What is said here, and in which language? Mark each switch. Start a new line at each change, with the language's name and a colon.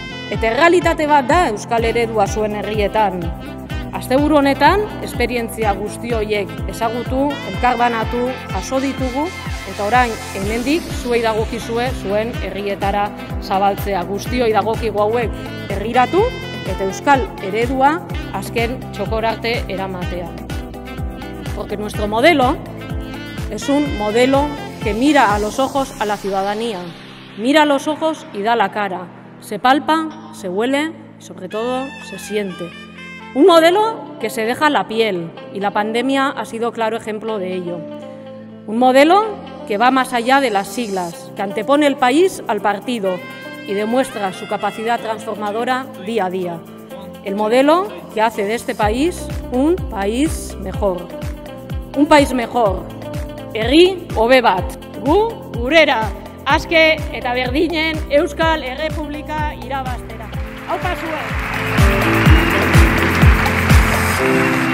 Basque: Eta errealitate bat da Euskal eredua zuen herrietan. Asteburu honetan, esperientzia guzti horiek ezagutu, elkarbanatu, jaso ditugu, eta orain, hemendik zuei dagokizue zuen herrietara zabaltzea. Guzti hori dagokigu hauek herriratu, eta Euskal eredua azken txokorarte eramatea.
Spanish: Porque nuestro modelo es un modelo que mira a los ojos a la ciudadanía, mira a los ojos y da la cara, se palpa, se huele y sobre todo se siente. Un modelo que se deja la piel y la pandemia ha sido claro ejemplo de ello. Un modelo que va más allá de las siglas, que antepone el país al partido y demuestra su capacidad transformadora día a día. El modelo que hace de este país un país mejor. Un país mejor.
Basque: Herri hobe bat. Gu gurera. Aske eta berdinen Euskal Errepublika irabaztera. Aupa zuen.